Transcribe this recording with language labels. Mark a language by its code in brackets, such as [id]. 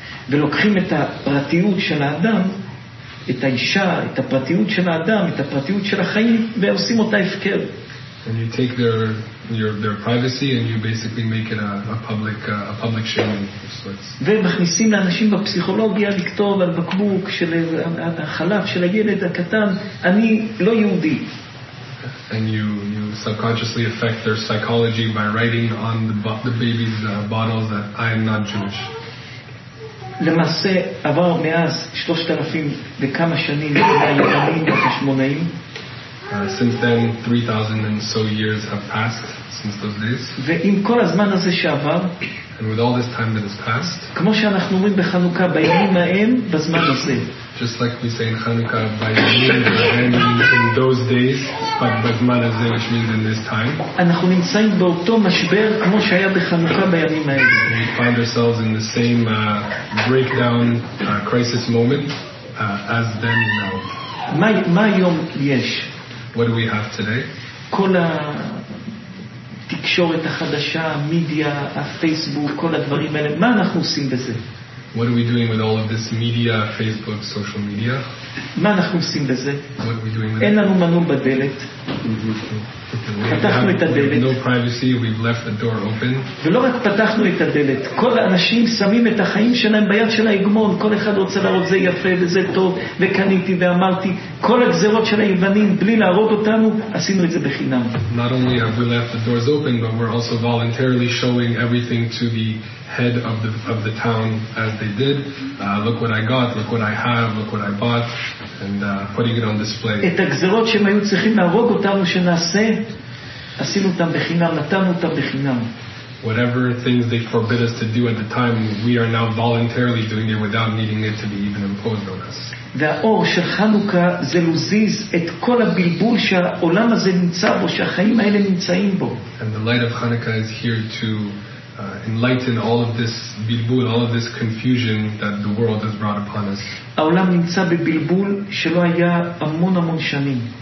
[he] ולוקחים את הפרטיות של האדם, את האישה, את הפרטיות של האדם, את הפרטיות של החיים, ועושים אותה הפקר. [en] And you take their privacy and you basically make it a public shame. [he] ומכניסים לאנשים בפסיכולוגיה לכתוב על בקבוק של החלב של הילד הקטן, אני לא יהודי. [en] And you subconsciously affect their psychology by writing on the baby's bottles that I am not Jewish. [he] למעשה עבר מאז 3,000 וכמה שנים מהיוונים והחשמונאים. [en] Since then 3,000 and so years have passed since those days. [he] ועם כל הזמן הזה שעבר, [en] and with all this time that has passed, [he] כמו שאנחנו אומרים בחנוכה, בימים ההם, בזמן הזה, [en] just like we say in Hanukkah, [he] בימים ההם, [en] in those days, but [he] בזמן הזה, [en] which means in this time, [he] אנחנו נמצאים באותו משבר כמו שהיה בחנוכה בימים ההם. [en] We find ourselves in the same breakdown crisis moment as then and now. [he] מה היום יש? [en] What do we have today? [he] כל התקשורת החדשה, מדיה, הפייסבוק, כל הדברים האלה. מה אנחנו עושים בזה? [en] What are we doing with all of this media, Facebook, social media? [he] מה אנחנו עושים בזה? [en] What are we doing with it? [he] אין לנו מנעול בדלת. פתחנו את הדלת. [en] We have no privacy. We've left the door open. [he] ולא רק פתחנו את הדלת. כל האנשים שמים את החיים שלהם ביד של ההגמון. כל אחד רוצה להראות זה יפה וזה טוב. וקניתי ואמרתי, כל הגזרות של היוונים, בלי להראות אותנו, עשינו את זה בחינם. [en] Not only have we left the doors open, but we're also voluntarily showing everything to the head of the town as they did. Look what I got. Look what I have. Look what I bought. And putting it on display. [he] את הגזרות שהם היו צריכים להרוג אותנו שנעשה, עשינו אותם בחינם, נתנו אותם בחינם. [en] Whatever things they forbid us to do at the time, we are now voluntarily doing it without needing it to be even imposed on us. [he] והאור של חנוכה זה מזיז את כל הבלבול שהעולם הזה נמצא בו, שהחיים האלה נמצאים בו. [en] And the light of Hanukkah is here to enlighten all of this bilbul, all of this confusion that the world has brought upon us. [he] העולם נמצא בבלבול שלא היה המון המון שנים.